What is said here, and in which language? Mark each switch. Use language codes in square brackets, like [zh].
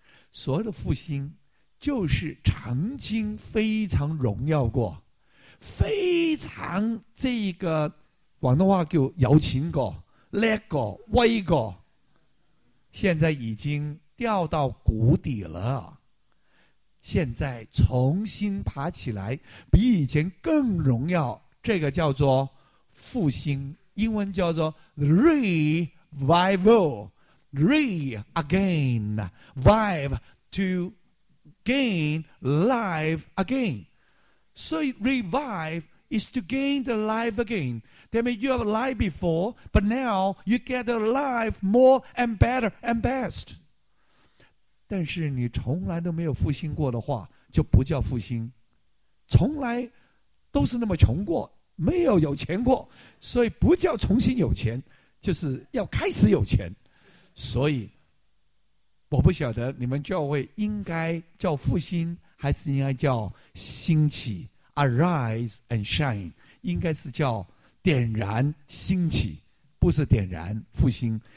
[zh] 所谓的复兴，就是曾经非常荣耀过，非常这个广东话叫摇钱过、叻过、威过，现在已经掉到谷底了。现在重新爬起来，比以前更荣耀，这个叫做复兴，英文叫做 [en] revival， re again， vive to gain life again， so revive is to gain the life again， that means you have life before but now you get the life more and better and best。 [zh] 但是你从来都没有复兴过的话，就不叫复兴，从来都是那么穷过，没有有钱过，所以不叫重新有钱，就是要开始有钱。所以我不晓得你们教会应该叫复兴还是应该叫兴起 [en] arise and shine， [zh] 应该是叫点燃兴起，不是点燃复兴。